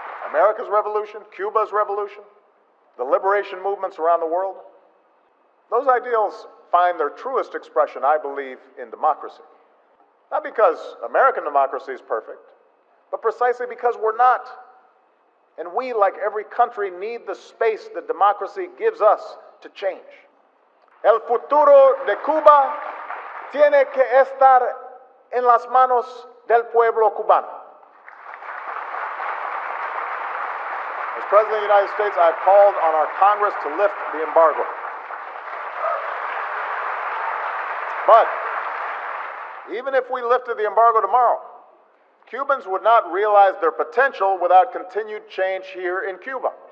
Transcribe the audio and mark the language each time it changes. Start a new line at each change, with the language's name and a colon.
English: America's revolution, Cuba's revolution, the liberation movements around the world, those ideals find their truest expression, I believe, in democracy. Not because American democracy is perfect, but precisely because we're not. And we, like every country, need the space that democracy gives us to change.
Spanish: El futuro de Cuba tiene que estar en las manos del pueblo cubano.
English: As President of the United States, I've called on our Congress to lift the embargo. But even if we lifted the embargo tomorrow, Cubans would not realize their potential without continued change here in Cuba.